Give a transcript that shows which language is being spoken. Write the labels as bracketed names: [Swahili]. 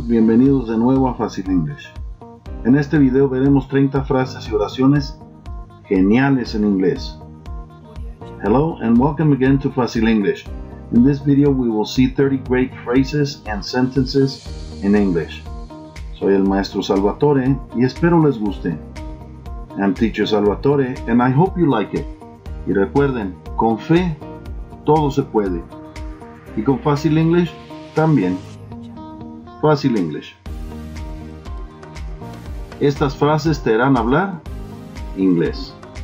[Spanish] Bienvenidos de nuevo a Fácil English. En este video veremos 30 frases y oraciones geniales en inglés. [English] Hello and welcome again to Fácil English. In this video we will see 30 great phrases and sentences in English. [Spanish] Soy el maestro Salvatore y espero les guste. [English] I'm teacher Salvatore and I hope you like it. [Spanish] Y recuerden, con fe todo se puede. Y con Fácil English también. Fácil English. Estas frases te harán hablar inglés.